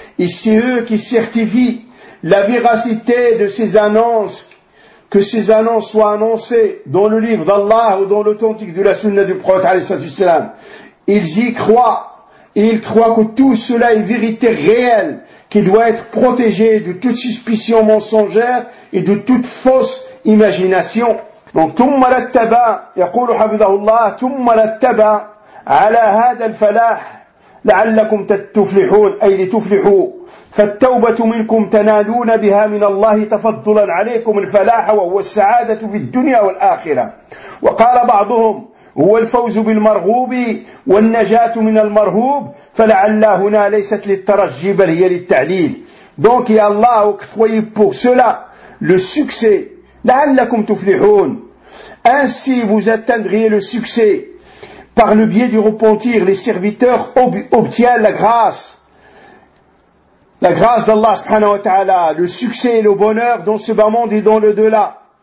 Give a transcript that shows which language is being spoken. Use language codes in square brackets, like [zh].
[fr] Et c'est eux qui certifient la véracité de ces annonces, que ces annonces soient annoncées dans le livre d'Allah ou dans l'authentique de la sunna du prophète. Ils y croient et ils croient que tout cela est vérité réelle, qui doit être protégé de toute suspicion mensongère et de toute fausse imagination. Donc, [ar] ثم رتب يقول حفظه الله ثم رتب على هذا الفلاح لعلكم تفلحون أي لتفلحوا فالتوبة منكم تنالون بها من الله تفضلا عليكم الفلاح وهو السعادة في الدنيا والآخرة. وقال بعضهم هو الفوز بالمرغوب والنجاة من المرهوب فلعل هنا ليست للترجي بل هي للتعليل. [fr] Donc il y a Allah octroyé pour cela le succès. [ar] لعلكم تفلحون. [fr] Ainsi vous atteindriez le succès par le biais du repentir. Les serviteurs obtiennent la grâce d'Allah subhanahu wa ta'ala, le succès et le bonheur dans ce bas monde et dans le delà.